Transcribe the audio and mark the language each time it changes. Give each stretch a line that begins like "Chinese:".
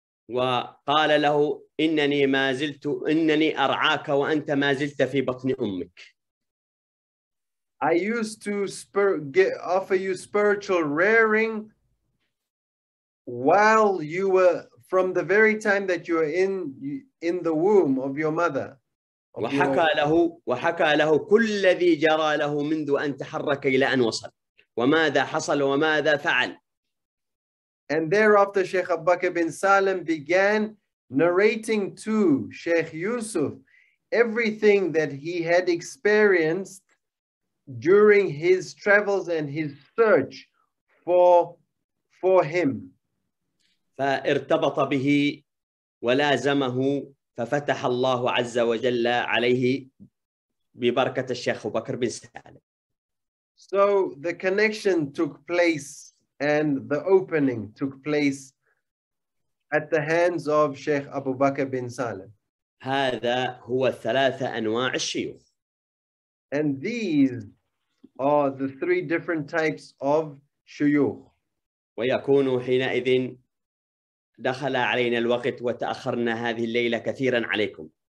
Arabic: وقال له إنني أرعاك وأنت ما زلت في بطن أمك.
English: I used to offer you spiritual rearing while you were from the very time that you were in the womb of your mother.
Arabic: وحكى له كل الذي جرى له منذ أن تحرك إلى أن وصل وماذا حصل وماذا فعل.
English: And thereafter Sheikh Abu Bakr bin Salim began narrating to Sheikh Yusuf everything that he had experienced during his travels and his search for him.
Arabic: فارتبط به ولازمه ففتح الله عز وجل عليه ببركة الشيخ أبو بكر بن سالم.
English: So the connection took place and the opening took place at the hands of Sheikh Abu Bakr bin Salim.
Arabic: هذا هو الثلاثة أنواع الشيوخ.
English: And these are the three different types of شيوخ.
Arabic: ويكون حينئذ دخل علينا الوقت وتأخرنا هذه الليلة كثيرا عليكم.